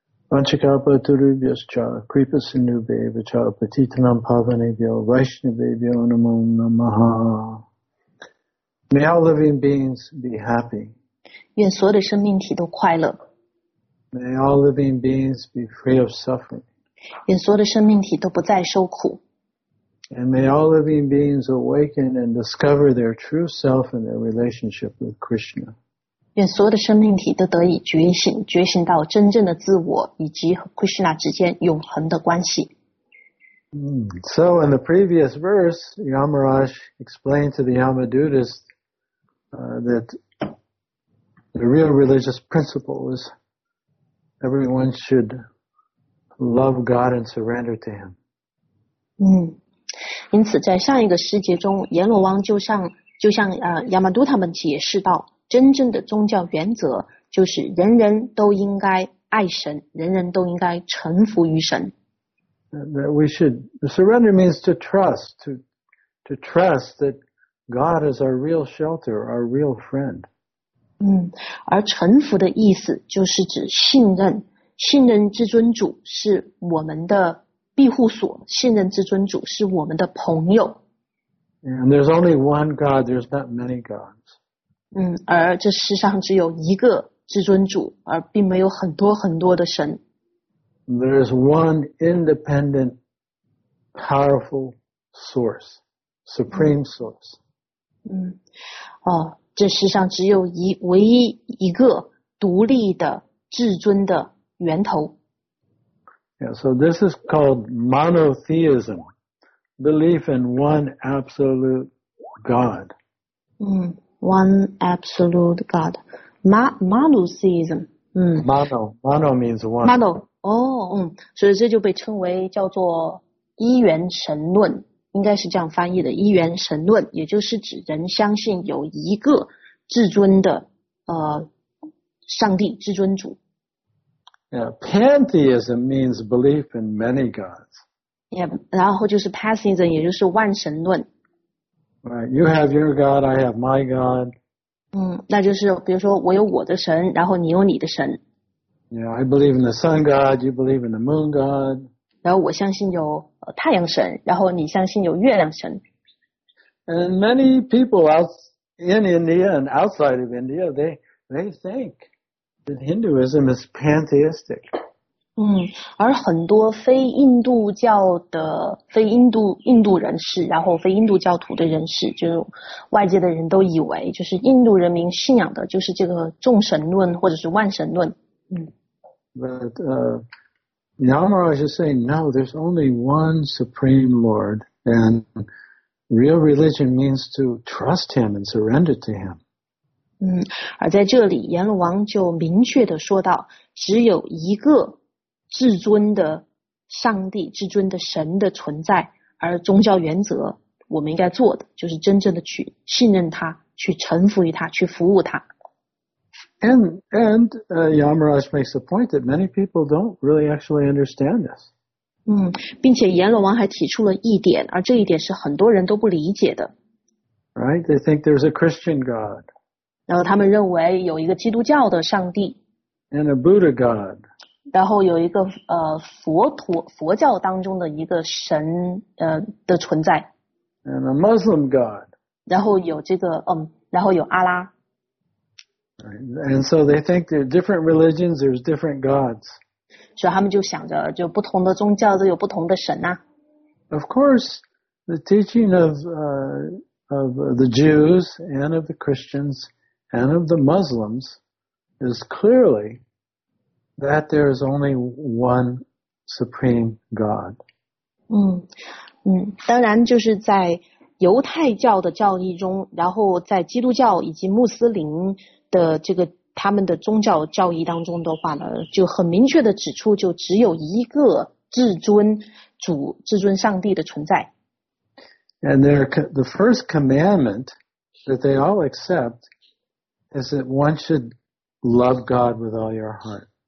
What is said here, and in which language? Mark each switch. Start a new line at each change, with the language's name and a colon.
Sanskrit: Vanchakalpa Turubhyascha Kripa Sindhubhye Vacha Patitanam Pavanebhyo Vaishnavebhyo Namo Namaha.
English: May all living beings be happy.
Chinese: 愿所有的生命体都快乐。
English: May all living beings be free of suffering.
Chinese: 愿所有的生命体都不再受苦。
English: And may all living beings awaken and discover their true self and their relationship with Krishna.
Chinese: 愿所有的生命体都得以觉醒，觉醒到真正的自我以及和 Krishna 之间永恒的关系。
English: So in the previous verse, Yamaraj explained to the Yamadutas, that the real religious principle is everyone should love God and surrender to Him.
Chinese: 因此在上一个世界中，阎罗王就像Yamaduta 们解释到，真正的宗教原则就是人人都应该爱神，人人都应该臣服于神。
English: That we should surrender means to trust that God is our real shelter, our real friend.
Chinese: 而臣服的意思就是指信任，信任至尊主是我们的庇护所，信任至尊主是我们的朋友。
English: And there's only one God, there's not many gods.
Chinese: 而这世上只有一个至尊主，而并没有很多很多的神。
English: There is one independent, powerful source, supreme source.
Chinese: 这世上只有唯一一个独立的至尊的源头。
English: Yeah, so this is called monotheism, belief in one absolute God. One absolute God. Monotheism. Mono means one. Mono.
Chinese: 所以这就被称为叫做一元神论，应该是这样翻译的，一元神论，也就是指人相信有一个至尊的上帝，至尊主。
English: Yeah, pantheism means belief in many gods.
Chinese: Yeah, 然后就是 pantheism, 也就是万神论。
English: Right, you have your God, I have my God.
Chinese: 那就是比如说我有我的神，然后你有你的神。
English: You know, I believe in the sun god, you believe in the moon god.
Chinese: 然后我相信有太阳神，然后你相信有月亮神。
English: And many people out in India and outside of India, they think that Hinduism is pantheistic.
Chinese: 而很多非印度教的人士，然后非印度教徒的人士，就外界的人都以为，就是印度人民信仰的就是这个众神论或者是万神论。
English: But Yamaraj is saying, no, there's only one Supreme Lord, and real religion means to trust him and surrender to him.
Chinese: 而在这里，阎罗王就明确地说到，只有一个至尊的上帝、至尊的神的存在，而宗教原则，我们应该做的，就是真正的去信任他，去臣服于他，去服务他。
English: And Yamaraj makes the point that many people don't really actually understand this.
Chinese: 并且阎罗王还提出了一点，而这一点是很多人都不理解的。
English: Right, they think there's a Christian God.
Chinese: 然后他们认为有一个基督教的上帝。
English: And a Buddha God.
Chinese: 然后有一个佛教当中的一个神的存在。
English: And a Muslim God.
Chinese: 然后有这个然后有阿拉。
English: And so they think there are different religions, there's different gods.
Chinese: 所以他们就想着，就不同的宗教都有不同的神啊。
English: Of course, the teaching of the Jews and of the Christians and of the Muslims is clearly that there is only one supreme God.
Chinese: 当然就是在犹太教的教义中，然后在基督教以及穆斯林的这个他们的宗教教义当中的话呢，就很明确的指出，就只有一个至尊主、至尊上帝的存在。
English: And the first commandment that they all accept is that one should love God with all your heart.